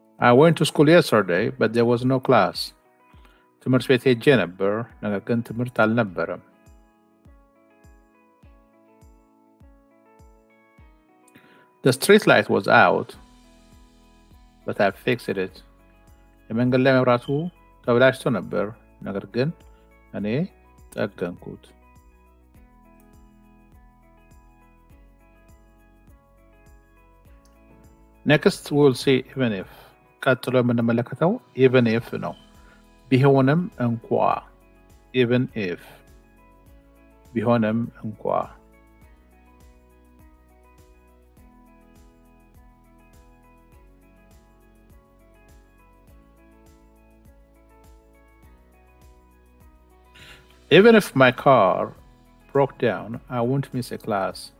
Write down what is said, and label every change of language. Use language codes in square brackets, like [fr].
[en] I went to school yesterday but there was no class [am] ትምህርት ቤት ሄጄ ነበር ነገር ግን ትምህርት አልነበረም [en] The street light was out but I fixed it. [am] የመንገድ ላይ መብራቱ ተበላሽቶ ነበር ነገር ግን እኔ ጠገንኩት። [en] Next we'll see even if. [am] ቀጥሎ የምንመለከተው [en] even if [am] ነው። ቢሆንም እንኳ [en] even if [am] ቢሆንም እንኳ [en] Even if my car broke down, I won't miss a class.